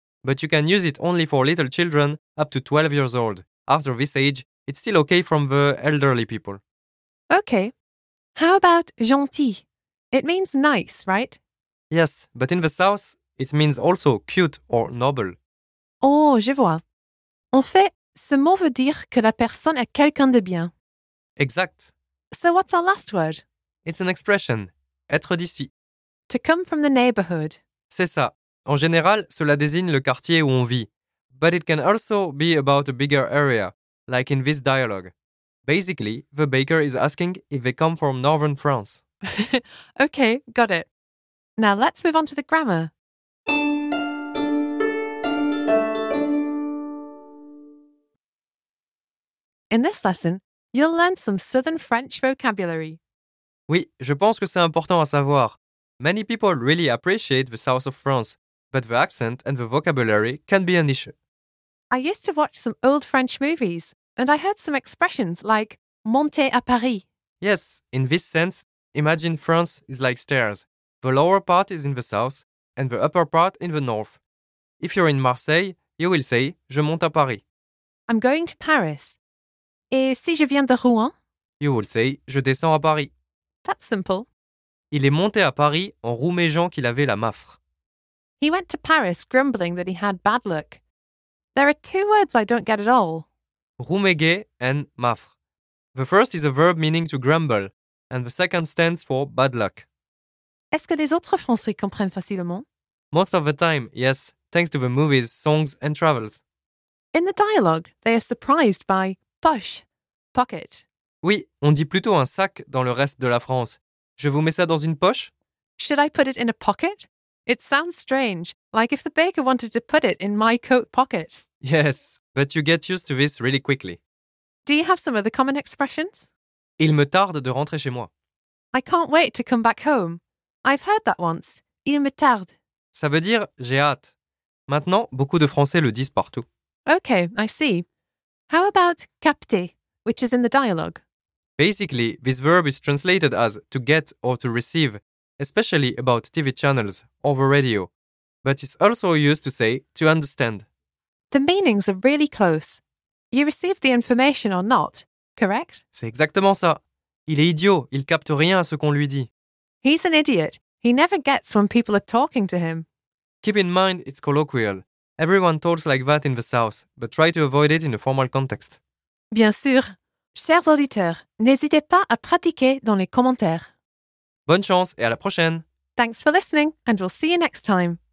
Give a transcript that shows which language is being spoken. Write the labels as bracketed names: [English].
[English] But you can use it only for little children up to 12 years old. After this age, it's still okay from the elderly people. Okay. How about gentil? It means nice, right? Yes, but in the south, it means also cute or noble. [French] Oh, je vois. En fait, ce mot veut dire que la personne est quelqu'un de bien. Exact. [English] So what's our last word? It's an expression. [French] Être d'ici. [English] To come from the neighborhood. [French] C'est ça. En général, cela désigne le quartier où on vit. [English] But it can also be about a bigger area, like in this dialogue. Basically, the baker is asking if they come from northern France. Okay, got it. Now let's move on to the grammar. In this lesson, you'll learn some southern French vocabulary. [French] Oui, je pense que c'est important à savoir. [English] Many people really appreciate the south of France, but the accent and the vocabulary can be an issue. I used to watch some old French movies, and I heard some expressions like [French] monter à Paris. [English] Yes, in this sense, imagine France is like stairs. The lower part is in the south, and the upper part in the north. If you're in Marseille, you will say [French] je monte à Paris. [English] I'm going to Paris. [French] Et si je viens de Rouen? [English] You will say [French] je descends à Paris. [English] That's simple. [French] Il est monté à Paris en rouméjant qu'il avait la mafre. [English] He went to Paris grumbling that he had bad luck. There are two words I don't get at all. Rouméguer and mafre. The first is a verb meaning to grumble, and the second stands for bad luck. [French] Est-ce que les autres Français comprennent facilement? [English] Most of the time, yes, thanks to the movies, songs and travels. In the dialogue, they are surprised by poche, pocket. [French] Oui, on dit plutôt un sac dans le reste de la France. Je vous mets ça dans une poche? [English] Should I put it in a pocket? It sounds strange, like if the baker wanted to put it in my coat pocket. Yes, but you get used to this really quickly. Do you have some of the common expressions? [French] Il me tarde de rentrer chez moi. [English] I can't wait to come back home. I've heard that once. [French] Il me tarde. Ça veut dire j'ai hâte. Maintenant, beaucoup de Français le disent partout. [English] Okay, I see. How about capter, which is in the dialogue? Basically, this verb is translated as to get or to receive, especially about TV channels or the radio. But it's also used to say to understand. The meanings are really close. You receive the information or not, correct? [French] C'est exactement ça. Il est idiot, il capte rien à ce qu'on lui dit. [English] He's an idiot. He never gets when people are talking to him. Keep in mind it's colloquial. Everyone talks like that in the South, but try to avoid it in a formal context. [French] Bien sûr. Chers auditeurs, n'hésitez pas à pratiquer dans les commentaires. Bonne chance et à la prochaine. [English] Thanks for listening and we'll see you next time.